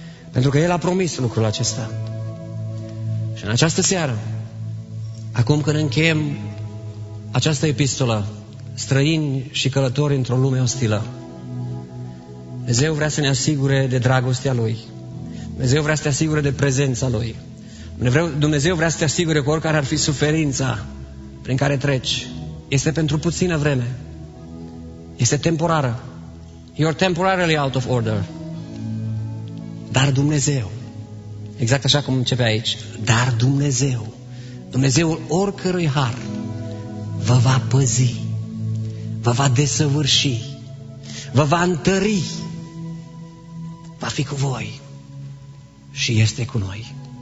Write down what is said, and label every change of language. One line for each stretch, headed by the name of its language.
Romanian: Pentru că El a promis lucrul acesta. Și în această seară, acum când încheiem această epistolă, străini și călători într-o lume ostilă, Dumnezeu vrea să ne asigure de dragostea Lui. Dumnezeu vrea să te asigure de prezența Lui. Dumnezeu vrea să te asigure cu oricare ar fi suferința prin care treci. Este pentru puțină vreme. Este temporară.
English: You're temporarily out of order.
Romanian: Dar Dumnezeu, exact așa cum începe aici, dar Dumnezeu, Dumnezeul oricărui har, vă va păzi, vă va desăvârși, vă va întări, va fi cu voi și este cu noi.